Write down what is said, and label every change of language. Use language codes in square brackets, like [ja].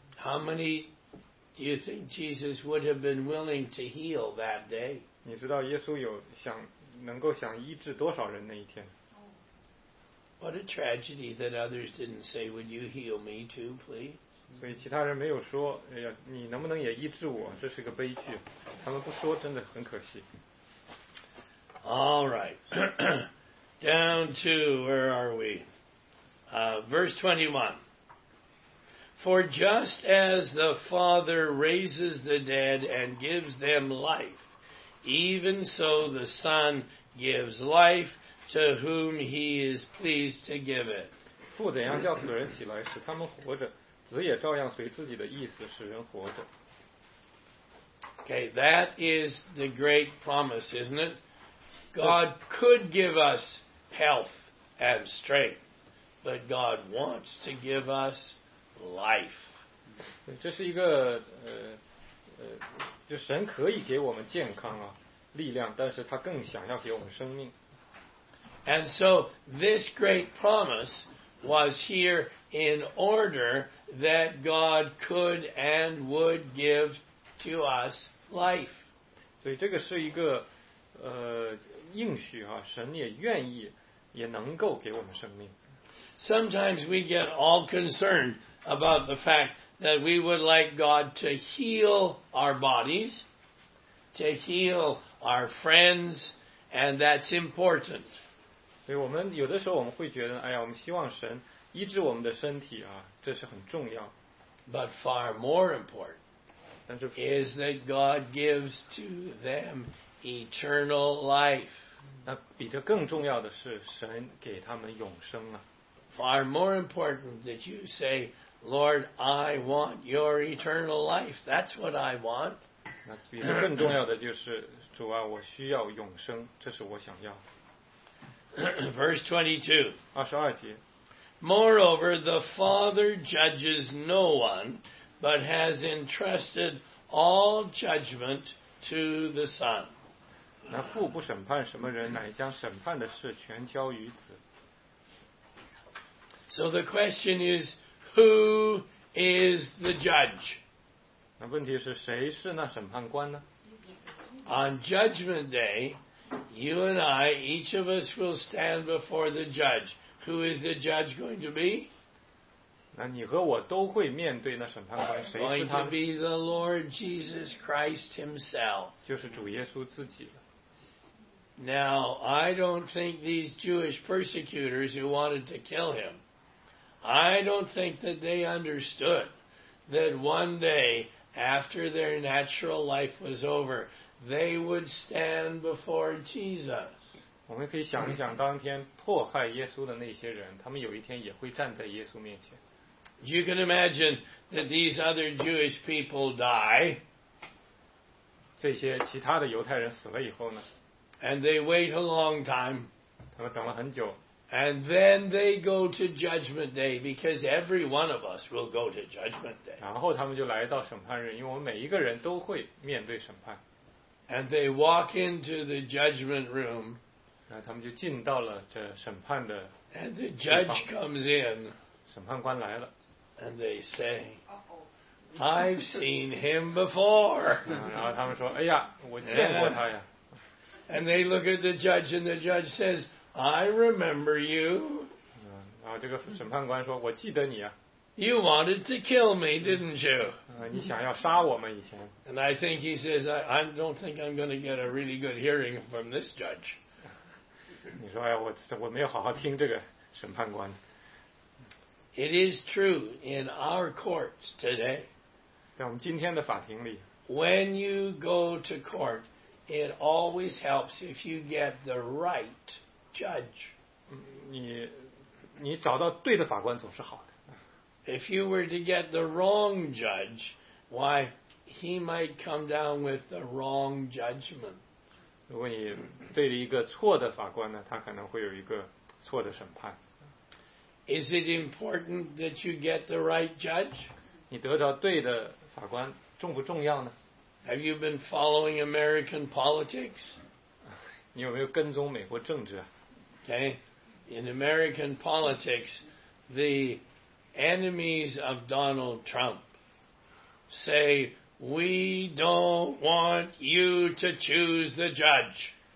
[en] How many do you think Jesus would have been willing to heal that day? [zh] 你知道耶稣有想能够想医治多少人那一天？ [en] What a tragedy that others didn't say, "Would you heal me too, please?" [zh] 所以其他人没有说，哎呀，你能不能也医治我？这是个悲剧，他们不说真的很可惜。 [en] All right, down to where are we? Verse 21. For just as the Father raises the dead and gives them life, even so the Son gives life to whom He is pleased to give it. [zh] 父怎样叫死人起来，使他们活着，子也照样随自己的意思使人活着。 [en] Okay, that is the great promise, isn't it? God could give us health and strength, but God wants to give us life. [zh] 这是一个就神可以给我们健康啊。力量，但是他更想要给我们生命。 [en] And so this great promise was here in order that God could and would give to us life. [zh] 所以这个是一个应许啊，神也愿意，也能够给我们生命。 [en] Sometimes we get all concerned about the fact that we would like God to heal our bodies, to heal our friends, and that's important. [zh] 所以我们有的时候我们会觉得，哎呀，我们希望神医治我们的身体啊，这是很重要。 [en] But far more important is that God gives to them eternal life. [zh] 那比这更重要的是，神给他们永生啊。 [en] Far more important that you say, Lord, I want your eternal life. That's what I want. [zh] 那比这更重要的就是。主啊，我需要永生，这是我想要的。 [en] Verse 22. [zh] 二十二节。 [en] Moreover, the Father judges no one, but has entrusted all judgment to the Son. [zh] 那父不审判什么人，乃将审判的事全交于子。 [en] So the question is, who is the judge? [zh] 那问题是谁是那审判官呢？ [en] On Judgment Day, you and I, each of us will stand before the judge. Who is the judge going to be? [zh] 那你和我都会面对那审判官，谁是他？ [en] Going to be the Lord Jesus Christ himself. [zh] 就是主耶稣自己了。 [en] Now, I don't think these Jewish persecutors who wanted to kill him, I don't think that they understood that one day after their natural life was over, they would stand before Jesus. [zh] 我们可以想一想当天迫害耶稣的那些人，他们有一天也会站在耶稣面前。 [en] You can imagine that these other Jewish people die. [zh] 这些其他的犹太人死了以后呢？ [en] And they wait a long time. [zh] 他们等了很久。 [en] And then they go to Judgment Day, because every one of us will go to Judgment Day. [zh] 然后他们就来到审判日，因为我们每一个人都会面对审判。 [en] And they walk into the judgment room. [zh] 那他们就进到了这审判的地方。 [en] And the judge comes in. [zh] 审判官来了。 [en] And they say, I've seen him before. [zh] 然后他们说，哎呀，我见过他呀。 [en] And they look at the judge, and the judge says, I remember you. [zh] 然后这个审判官说，我记得你啊。 [en] You wanted to kill me, didn't you? [zh] 你想要杀我们以前。 [en] And I think he says, I don't think I'm going to get a really good hearing from this judge. [zh] 你说，哎，我没有好好听这个审判官。 [en] It is true in our courts today. [zh] 在我们今天的法庭里。 [en] When you go to court, it always helps if you get the right judge. [zh] 你找到对的法官总是好的。 [en] If you were to get the wrong judge, why, he might come down with the wrong judgment. [zh] 如果你对了一个错的法官呢，他可能会有一个错的审判。 [en] Is it important that you get the right judge? [zh] 你得到对的法官重不重要呢？ [en] Have you been following American politics? [zh] 你有没有跟踪美国政治啊？ [en] Okay, in American politics, the enemies of Donald Trump say, we don't want you to choose the judge.